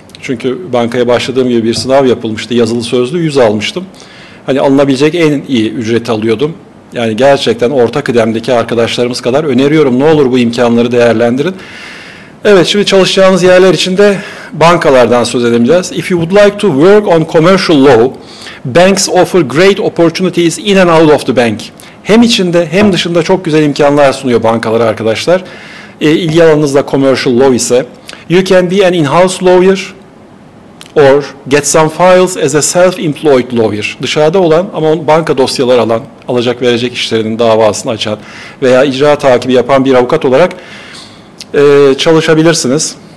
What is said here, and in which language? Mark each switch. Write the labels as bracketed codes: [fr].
[tr] Çünkü bankaya başladığım gibi bir sınav yapılmıştı. Yazılı sözlü 100 almıştım. Hani alınabilecek en iyi ücreti alıyordum. Yani gerçekten orta kıdemdeki arkadaşlarımız kadar öneriyorum. Ne olur bu imkanları değerlendirin. Evet, şimdi çalışacağınız yerler için de bankalardan söz edeceğiz. [en] If you would like to work on commercial law, banks offer great opportunities in and out of the bank. [tr] Hem içinde hem dışında çok güzel imkanlar sunuyor bankalar arkadaşlar. İlgi alanınız da commercial law ise. [en] You can be an in-house lawyer or get some files as a self-employed lawyer. [tr] Dışarıda olan ama banka dosyaları alan, alacak verecek işlerinin davasını açan veya icra takibi yapan bir avukat olarak çalışabilirsiniz.